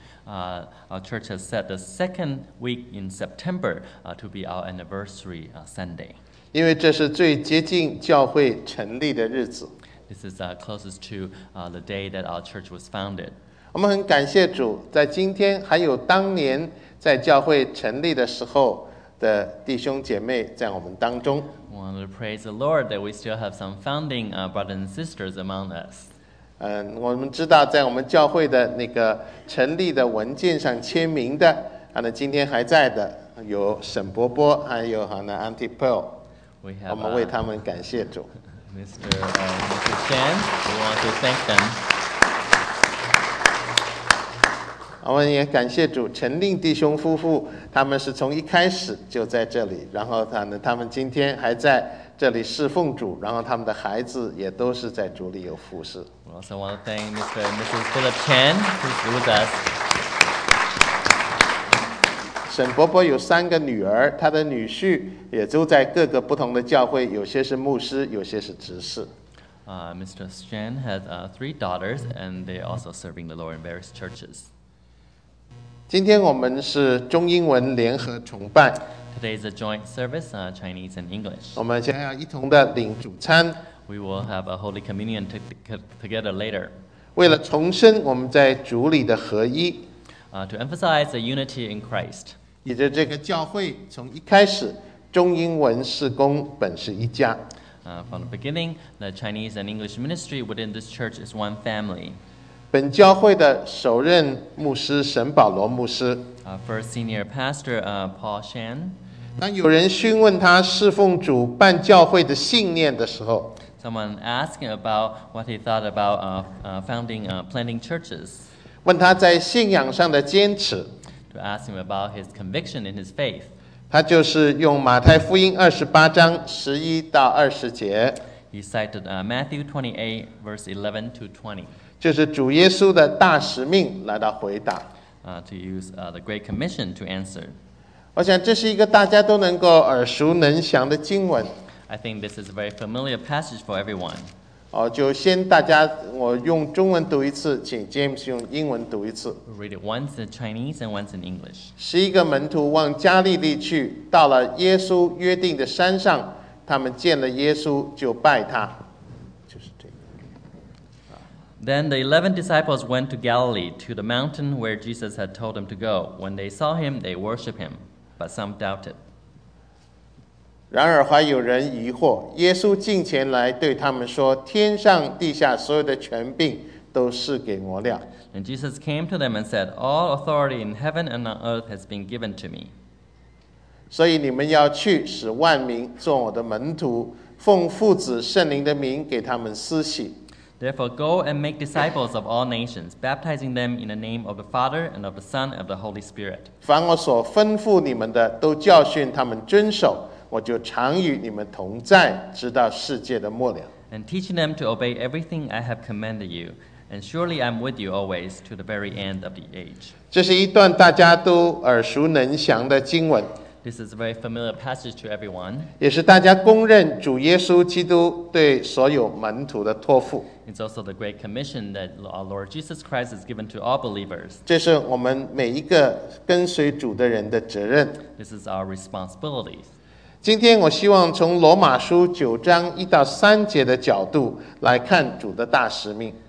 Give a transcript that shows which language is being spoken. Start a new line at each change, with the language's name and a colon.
English: Our church has set the second week in September to be our anniversary Sunday.
Chinese: 因为这是最接近教会成立的日子。
English: This is closest to the day that our church was founded.
Chinese: 我们很感谢主，在今天还有当年在教会成立的时候的弟兄姐妹在我们当中。
English: We want to praise the Lord that we still have some founding brothers and sisters among us.
Chinese: 我们知道在我们教会的那个成立的文件上签名的，今天还在的有沈伯伯，还有Auntie Pearl.
English: We have,
Chinese: 我们为他们感谢主。
English: Mr. Chen, we want to thank them.
Chinese: 我们也感谢主，陈令弟兄夫妇，他们是从一开始就在这里，然后他们今天还在这里侍奉主，然后他们的孩子也都是在主里有服事。
English: We also want to thank Mr. and Mrs. Philip Chen, who's with us.
Chinese: 沈伯伯有三个女儿，他的女婿也都在各个不同的教会，有些是牧师，有些是执事。
English: Mr. Chen has three daughters, and they are also serving the Lord in various churches.
Chinese: 今天我们是中英文联合崇拜。
English: Today is a joint service, Chinese and English.
Chinese: 我们将要一同的领主餐。
English: We will have a holy communion together later.
Chinese: 为了重申我们在主里的合一。
English: To emphasize the unity in Christ.
Chinese: 以着这个教会从一开始，中英文事工本是一家。
English: From the beginning, the Chinese and English ministry within this church is one family.
Chinese: 本教会的首任牧师沈保罗牧师。
English: First senior pastor, Paul Shan.
Chinese: 当有人询问他侍奉主办教会的信念的时候。
English: Someone asked about what he thought about founding, planting churches.
Chinese: 问他在信仰上的坚持。
English: To ask him about his conviction in his faith.
Chinese: 他就是用马太福音28:11-20.
English: He cited Matthew 28, verse 11 to 20.
Chinese: 就是主耶稣的大使命来到回答。
English: To use the Great Commission to answer.
Chinese: 我想这是一个大家都能够耳熟能详的经文。
English: I think this is a very familiar passage for everyone.
Chinese: 就先大家，我用中文读一次，请 James 用英文读一次。
English: Read it once in Chinese and once in English.
Chinese: 十一个门徒往加利利去，到了耶稣约定的山上，他们见了耶稣就拜他。
English: Then the 11 disciples went to Galilee, to the mountain where Jesus had told them to go. When they saw him, they worshipped him, but some doubted.
Chinese: 然而还有人疑惑，耶稣近前来对他们说，天上地下所有的权柄都是给我了。
English: And Jesus came to them and said, All authority in heaven and on earth has been given to me.
Chinese: 所以你们要去，使万民做我的门徒，奉父子圣灵的名给他们施洗。
English: Therefore, go and make disciples of all nations, baptizing them in the name of the Father and of the Son and of the Holy Spirit.
Chinese: 凡我所吩咐你们的，都教训他们遵守，我就常与你们同在，直到世界的末了。
English: And teaching them to obey everything I have commanded you, and surely I'm with you always to the very end of the age.
Chinese: 这是一段大家都耳熟能详的经文。
English: This is a very familiar passage to everyone.
Chinese: 也是大家公认主耶稣基督对所有门徒的托付。
English: It's also the great commission that our Lord Jesus Christ has given to all believers.
Chinese: 这是我们每一个跟随主的人的责任。
English: This is our responsibility.
Chinese: 今天我希望从罗马书9:1-3的角度来看主的大使命。